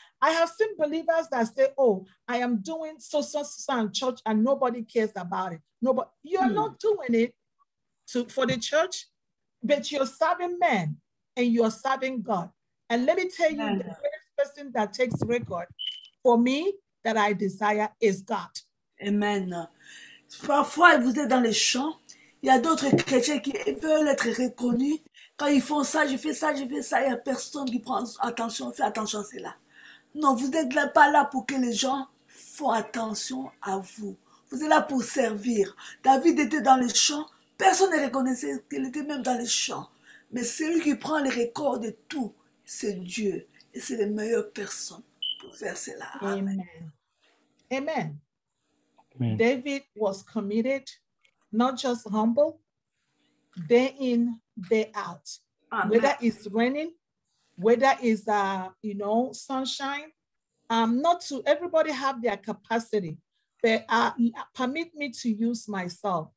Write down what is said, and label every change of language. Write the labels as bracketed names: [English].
[English] I have seen believers that say, oh, I am doing so in church and nobody cares about it. Nobody, you're not doing it for the church, but you're serving men and you're serving God. And let me tell you, the first person that takes record for me that I desire is God. Amen. [French] Parfois, vous êtes dans les champs, il y a d'autres chrétiens qui veulent être reconnus. Quand ils font ça, je fais ça, il n'y a personne qui prend attention, fait attention à cela. Non, vous n'êtes pas là pour que les gens font attention à vous. Vous êtes là pour servir. David était dans les champs, personne ne reconnaissait qu'il était même dans les champs. Mais celui qui prend les records de tout, c'est Dieu. Et c'est les meilleures personnes pour faire cela. Amen. Amen. [English] David was committed, not just humble, day in, day out. Amen. Whether it's raining, whether it's sunshine, not to everybody have their capacity, but permit me to use myself.